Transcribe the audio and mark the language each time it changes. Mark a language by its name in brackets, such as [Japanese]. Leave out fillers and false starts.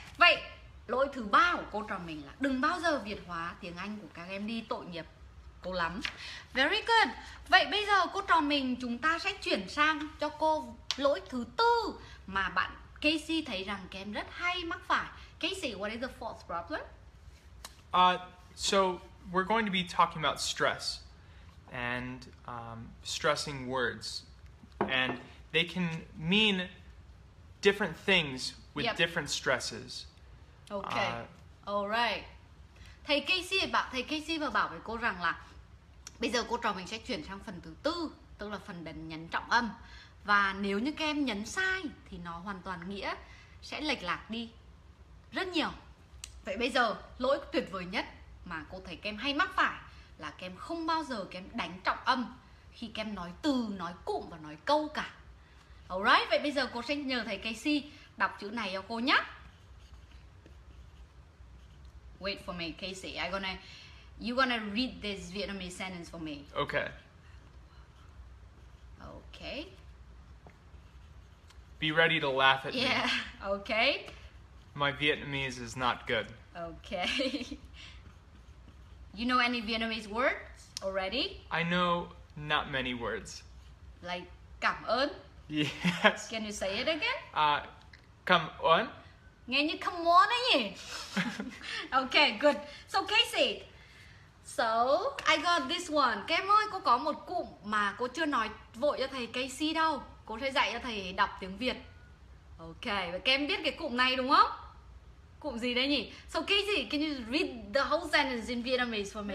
[Vietnamese] Vậy lỗi thứ ba của cô trò mình là đừng bao giờ Việt hóa tiếng Anh của các em đi, tội nghiệp cô lắm. [English] Very good. [Vietnamese] Vậy bây giờ cô trò mình chúng ta sẽ chuyển sang cho cô lỗi thứ tư mà bạn Kasey thấy rằng các em rất hay mắc phải. [English] Kasey, what is the fourth problem? So we're going to be talking about stress and stressing words, and they can mean different things with different stresses. Okay. Alright. [Vietnamese] Thầy Kasey bảo thầy Kasey vừa bảo với cô rằng là bây giờ cô trò mình sẽ chuyển sang phần thứ tư, tức là phần đánh nhấn trọng âm. Và nếu như các em nhấn sai thì nó hoàn toàn nghĩa sẽ lệch lạc đi rất nhiều. Vậy bây giờ lỗi tuyệt vời nhất mà cô thấy các em hay mắc phải là các em không bao giờ các em đánh trọng âm khi các em nói từ, nói cụm và nói câu cả. Alright, vậy bây giờ cô sẽ nhờ thầy Kasey đọc chữ này cho cô nhé. [English] Wait for me, Kasey. You gonna read this Vietnamese sentence for me. Okay. Okay. Be ready to laugh at me. Yeah, okay. My Vietnamese is not good. Okay. You know any Vietnamese words already? I know not many words. Like cảm ơn? Yes. Can you say it again? [Vietnamese] Cảm ơn? Nghe như cảm ơn ấy nhỉ? [English] Okay, good. So Kasey, so I got this one. [Vietnamese] Kem ơi, cô có một cụm mà cô chưa nói vội cho thầy Kasey đâu. Cô sẽ dạy cho thầy đọc tiếng Việt. Okay, và Kem biết cái cụm này đúng không? Cụm gì đấy nhỉ? [English] So Kasey, can you read the whole sentence in Vietnamese for me?